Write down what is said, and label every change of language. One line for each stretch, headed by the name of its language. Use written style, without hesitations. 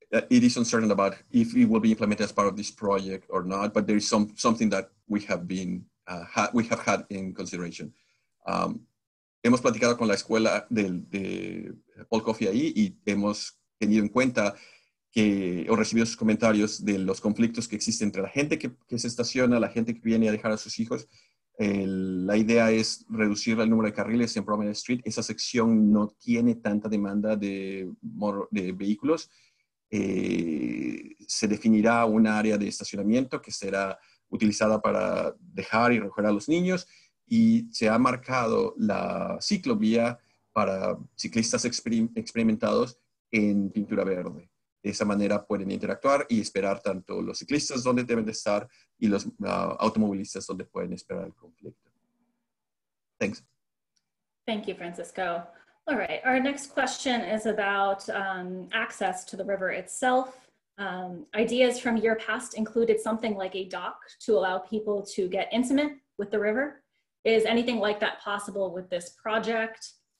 English: It is uncertain about if it will be implemented as part of this project or not, but there is something that we have had in consideration.
Spanish: Hemos platicado con la escuela de Paul Cuffee ahí y hemos tenido en cuenta que o recibido sus comentarios de los conflictos que existen entre la gente que se estaciona, la gente que viene a dejar a sus hijos. La idea es reducir el número de carriles en Promenade Street. Esa sección no tiene tanta demanda de vehículos. Se definirá un área de estacionamiento que será utilizada para dejar y recoger a los niños. Y se ha marcado la ciclovía para ciclistas experimentados en pintura verde. De esa manera pueden interactuar y esperar tanto los ciclistas donde deben de estar y los automovilistas donde pueden esperar el conflicto.
English: Thanks. Thank you, Francisco. All right, our next question is about access to the river itself. Ideas from year past included something like a dock to allow people to get intimate with the river. Is anything like that possible with this project?